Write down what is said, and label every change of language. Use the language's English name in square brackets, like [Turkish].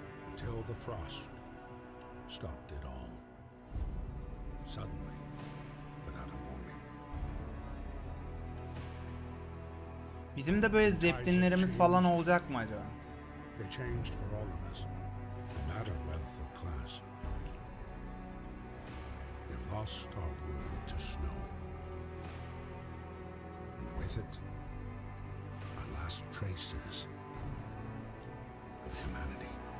[English] Until the frost stopped it all. Suddenly, without a warning. [Turkish] Bizim de böyle zeptinlerimiz falan olacak mı acaba? [English] They changed for all of us, no matter wealth or class. We've lost our world to snow. And with it, our last traces of humanity.